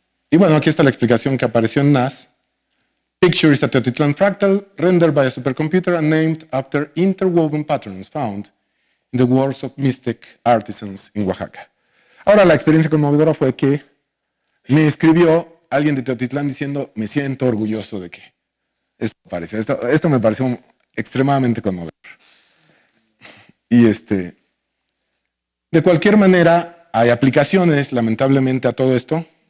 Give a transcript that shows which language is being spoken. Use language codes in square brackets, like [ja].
[es] Y bueno, aquí está la explicación que apareció en NAS. [en] Picture is a Teotitlán fractal rendered by a supercomputer and named after interwoven patterns found in the works of Mixtec artisans in Oaxaca. [es] Ahora, la experiencia conmovedora fue que me escribió alguien de Teotitlán diciendo, me siento orgulloso de que esto apareció. Esto me pareció extremadamente conmovedor. De cualquier manera, hay aplicaciones, lamentablemente, a todo esto.